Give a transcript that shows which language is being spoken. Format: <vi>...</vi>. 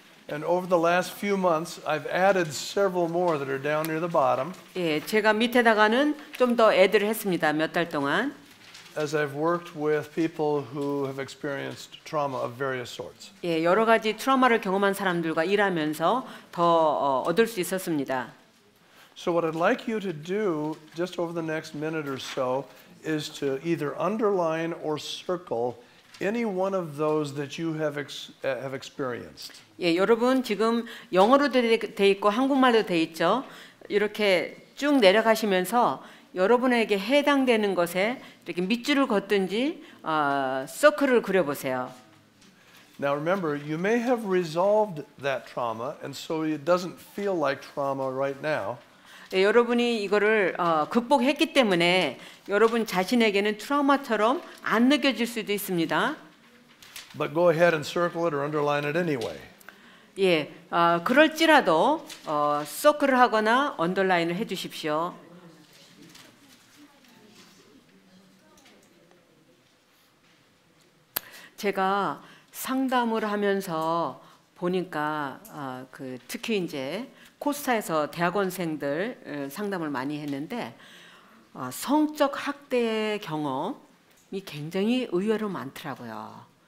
<en>And over the last few months, I've added several more that are down near the bottom.</en> <ko>예, 제가 밑에다가는 좀 더 애드를 했습니다. 몇 달 동안.</ko> <en>As I've worked with people who have experienced trauma of various sorts.</en> <ko>예, 여러 가지 트라우마를 경험한 사람들과 일하면서 더 얻을 수 있었습니다.</ko> <en>So what I'd like you to do just over the next minute or so is to either underline or circle any one of those that you have experienced.</en> <ko>예, 여러분 지금 영어로 돼 있고 한국말로 돼 있죠. 이렇게 쭉 내려가시면서 여러분에게 해당되는 것에 이렇게 밑줄을 걷든지 서클을 그려 보세요.</ko> <en>Now remember, you may have resolved that trauma and so it doesn't feel like trauma right now.</en> <ko>예, 여러분이 이거를 극복했기 때문에 여러분 자신에게는 트라우마처럼 안 느껴질 수도 있습니다.</ko> <en>But go ahead and circle it or underline it anyway.</en> <ko>예, 그럴지라도 서클을 하거나 언더라인을 해주십시오. Mm-hmm. 제가 상담을 하면서 보니까 특히 이제 코스타에서 대학원생들 상담을 많이 했는데 성적 학대의 경험이 굉장히 의외로 많더라고요.</ko>